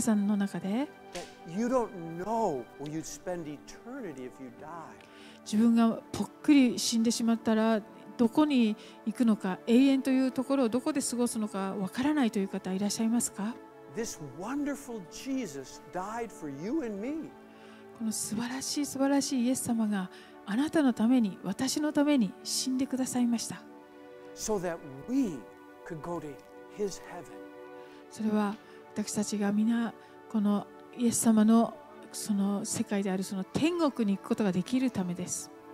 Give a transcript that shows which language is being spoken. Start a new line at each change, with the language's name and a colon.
Japanese: さんの中で自分がぽっくり死んでしまったらどこに行くのか、永遠というところをどこで過ごすのかわからないという方いらっしゃいますか？
English: This wonderful Jesus died for you and me.
Japanese: この素晴らしい素晴らしいイエス様があなたのために私のために死んでくださいました。
English: So that we could go to His heaven.
Japanese: それは私たちが皆このイエス様のその世界であるその天国に行くことができるためです。